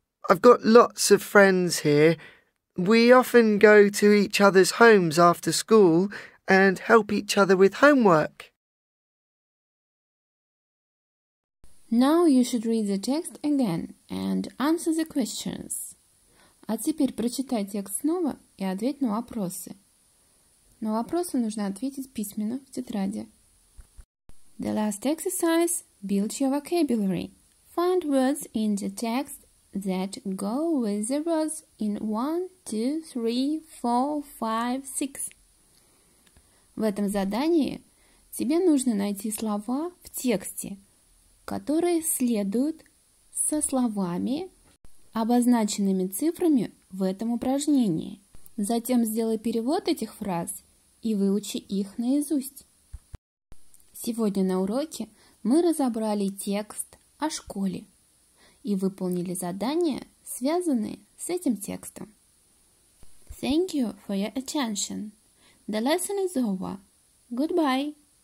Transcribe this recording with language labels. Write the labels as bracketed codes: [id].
[en] I've got lots of friends here. We often go to each other's homes after school and help each other with homework. Now you should read the text again and answer the questions. [ru] А теперь прочитай текст снова и ответь на вопросы. На вопросы нужно ответить письменно в тетради. [en] The last exercise, build your vocabulary. Find words in the text that go with the words in 1, 2, 3, 4, 5, 6. [ru] В этом задании тебе нужно найти слова в тексте, которые следуют со словами, обозначенными цифрами в этом упражнении. Затем сделай перевод этих фраз и выучи их наизусть. Сегодня на уроке мы разобрали текст о школе и выполнили задания, связанные с этим текстом. [en] Thank you for your attention. The lesson is over. Goodbye.